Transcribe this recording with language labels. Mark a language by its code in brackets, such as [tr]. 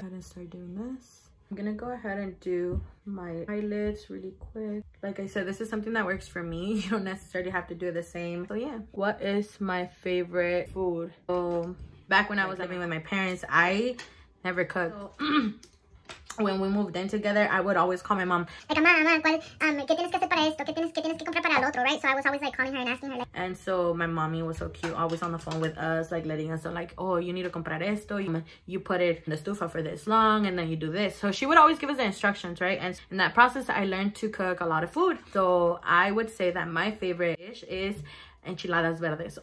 [en] I'm gonna start doing this. I'm gonna go ahead and do my eyelids really quick. Like I said, this is something that works for me. You don't necessarily have to do the same. So yeah, what is my favorite food? So back when I was living with my parents, I never cooked. When we moved in together, I would always call my mom. Like, [es] mama, ¿qué tienes que hacer para esto? ¿Qué tienes que comprar para el otro, [en] right? So I was always, like, calling her and asking her, like... And so my mommy was so cute, always on the phone with us, like, letting us know, like, oh, you need to [es] comprar esto. [en] You put it in the stufa for this long, and then you do this. So she would always give us the instructions, right? And in that process, I learned to cook a lot of food. So I would say that my favorite dish is enchiladas verdes.